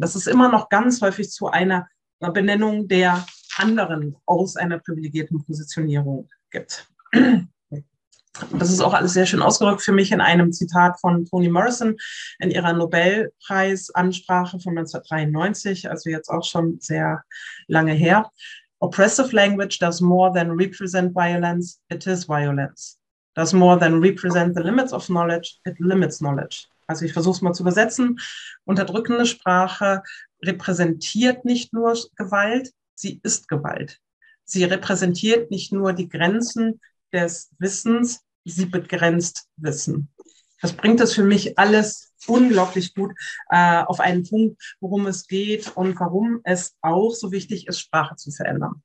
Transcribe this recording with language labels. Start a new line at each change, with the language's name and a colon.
German: Das ist immer noch ganz häufig zu einer Benennung der anderen aus einer privilegierten Positionierung gibt. Das ist auch alles sehr schön ausgedrückt für mich in einem Zitat von Toni Morrison in ihrer Nobelpreisansprache von 1993, also jetzt auch schon sehr lange her.
English: Oppressive language does more than represent violence, it is violence. Does more than represent the limits of knowledge, it limits knowledge.
German: Also ich versuche es mal zu übersetzen. Unterdrückende Sprache repräsentiert nicht nur Gewalt, sie ist Gewalt. Sie repräsentiert nicht nur die Grenzen des Wissens, sie begrenzt Wissen. Das bringt es für mich alles unglaublich gut auf einen Punkt, worum es geht und warum es auch so wichtig ist, Sprache zu verändern.